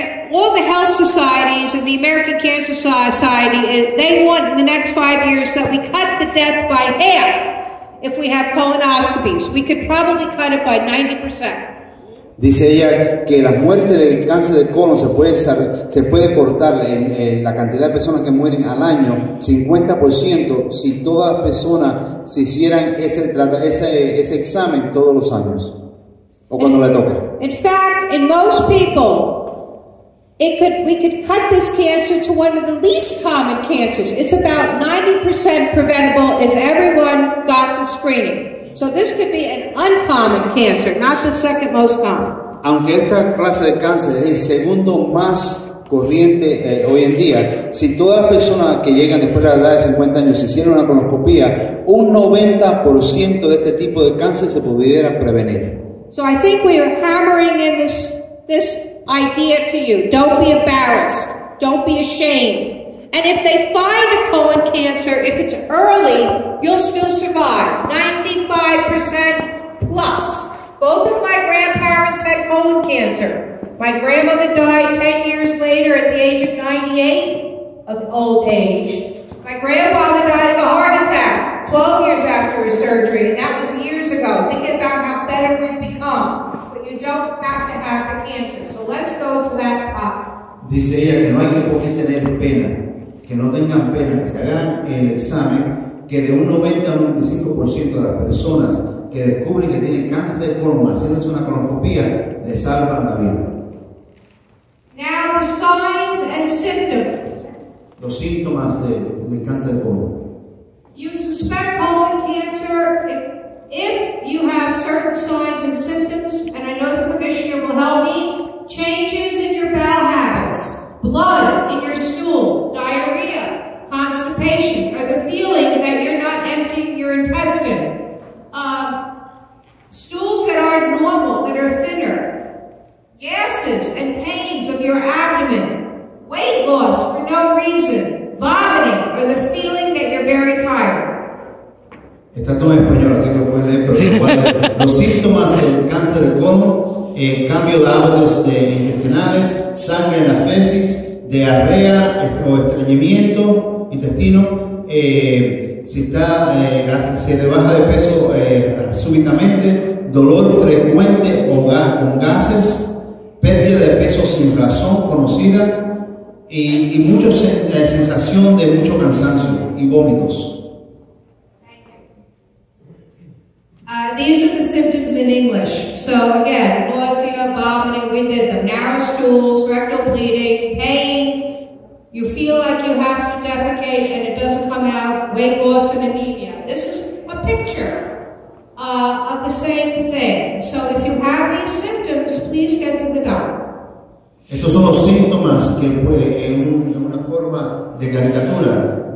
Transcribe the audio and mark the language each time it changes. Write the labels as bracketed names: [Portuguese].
[English] All the health societies and the American Cancer Society, they want in the next 5 years that we cut the death by half if we have colonoscopies. We could probably cut it by 90%. [Spanish] Dice ella que la muerte de cáncer de colon se puede cortar en la cantidad de personas que mueren al año 50% si todas las personas se hicieran ese examen todos los años o cuando le toque. [English] In fact, in most people, we could cut this cancer to one of the least common cancers. It's about 90% preventable if everyone got the screening. So this could be an uncommon cancer, not the second most common. [Spanish] Aunque esta clase de cáncer es el segundo más corriente hoy en día, si todas las personas que llegan después de la edad de 50 años hicieran una colonoscopia, un 90% de este tipo de cáncer se pudiera prevenir. [English] So I think we are hammering in this idea to you. Don't be embarrassed. Don't be ashamed. And if they find a colon cancer, if it's early, you'll still survive. 95% plus. Both of my grandparents had colon cancer. My grandmother died 10 years later at the age of 98 of old age. My grandfather died of a heart attack 12 years after his surgery, and that was years ago. Think about how better we've become. But you don't have to have the cancer. So let's go to that topic. [Spanish] Dice ella que no hay que tener pena. Que no tengan pena, que se hagan el examen, que de un 90 a 95% de las personas que descubren que tienen cáncer de colon haciéndose una colonoscopia, le salvan la vida. [English] Now the signs and symptoms. [Spanish] Los síntomas de cáncer de colon. [English] You suspect colon cancer if you have certain signs and symptoms, and I know the commissioner will help me, changes in your bowel habits. Blood in your stool, diarrhea, constipation, or the feeling that you're not emptying your intestine. Stools that aren't normal, that are thinner. Gases and pains of your abdomen. Weight loss for no reason. Vomiting, or the feeling that you're very tired. [Spanish] Está todo en español, así que lo pueden leer, pero los síntomas del cáncer del colon. Cambio de hábitos intestinales, sangre en las feces, diarrea o estreñimiento intestino, si te baja de peso súbitamente, dolor frecuente o con gases, pérdida de peso sin razón conocida y mucha sensación de mucho cansancio y vómitos. [English] These are the symptoms in English. So again, nausea, vomiting, we did them. Narrow stools, rectal bleeding, pain. You feel like you have to defecate and it doesn't come out. Weight loss and anemia. This is a picture of the same thing. So if you have these symptoms, please get to the doctor. [Spanish] Estos son los síntomas que en una forma de caricatura.